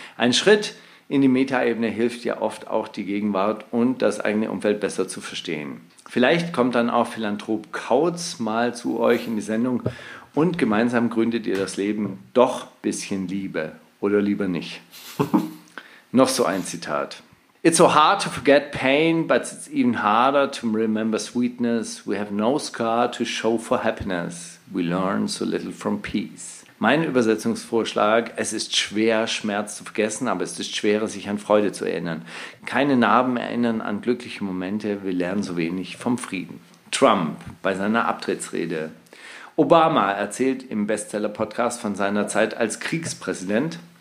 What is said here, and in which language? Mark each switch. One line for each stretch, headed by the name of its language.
German: Ein Schritt in die Metaebene hilft ja oft auch die Gegenwart und das eigene Umfeld besser zu verstehen. Vielleicht kommt dann auch Philanthrop Kautz mal zu euch in die Sendung und gemeinsam gründet ihr das Leben doch bisschen Liebe oder lieber nicht. Noch so ein Zitat.
English: It's so hard to forget pain, but it's even harder to remember sweetness. We have no scar to show for happiness. We learn so little from peace.
German: Mein Übersetzungsvorschlag, es ist schwer, Schmerz zu vergessen, aber es ist schwerer, sich an Freude zu erinnern. Keine Narben erinnern an glückliche Momente, wir lernen so wenig vom Frieden. Trump bei seiner Abtrittsrede. Obama erzählt im Bestseller-Podcast von seiner Zeit als Kriegspräsident.